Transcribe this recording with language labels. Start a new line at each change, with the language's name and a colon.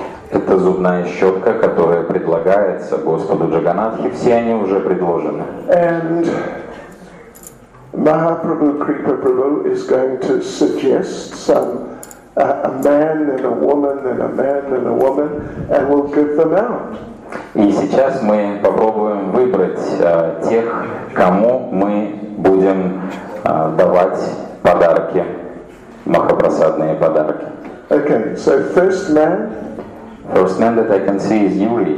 Russian: Это зубная щетка, которая предлагается Господу Джаганатхи. Все они уже предложены.
English: Mahaprabhu Kripa Prabhu is going to suggest some a man and a woman and a man and a woman and we'll give them out.
Russian: И сейчас мы попробуем выбрать тех, кому мы будем давать подарки, махапрасадные подарки.
English: Okay, so first man that I can see is Yuri.